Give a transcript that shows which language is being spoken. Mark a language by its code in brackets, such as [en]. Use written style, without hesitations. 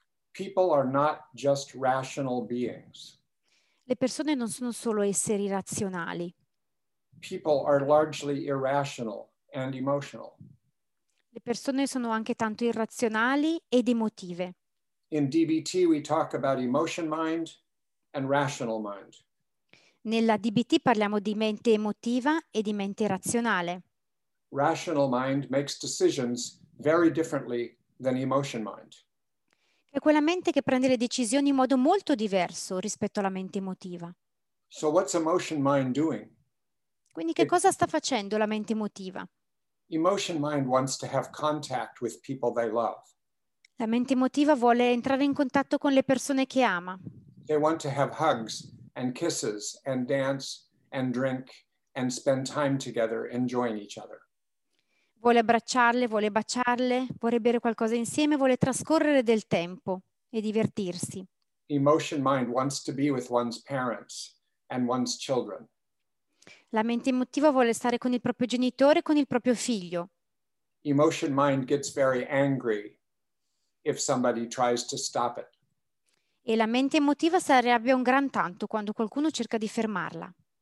[en] People are not just rational beings. [it] Le persone non sono solo esseri razionali. [en] People are largely irrational and emotional. [it] Le persone sono anche tanto irrazionali ed emotive. [en] In DBT we talk about emotion mind and rational mind. [it] Nella DBT parliamo di mente emotiva e di mente razionale. [en] Rational mind makes decisions very differently than emotion mind. [it] È quella mente che prende le decisioni in modo molto diverso rispetto alla mente emotiva. [en] So what's emotion mind doing? [it] Quindi che cosa sta facendo la mente emotiva? [en] Emotion mind wants to have contact with people they love. [it] La mente emotiva vuole entrare in contatto con le persone che ama. [en] They want to have hugs and kisses and dance and drink and spend time together enjoying each other. [it] Vuole abbracciarle, vuole baciarle, vuole bere qualcosa insieme, vuole trascorrere del tempo e divertirsi. [en] Emotion mind wants to be with one's parents and one's children. [it] La mente emotiva vuole stare con il proprio genitore e con il proprio figlio. [en] Emotion mind gets very angry if somebody tries to stop it. [it] E la mente emotiva si arrabbia un gran tanto quando qualcuno cerca di fermarla.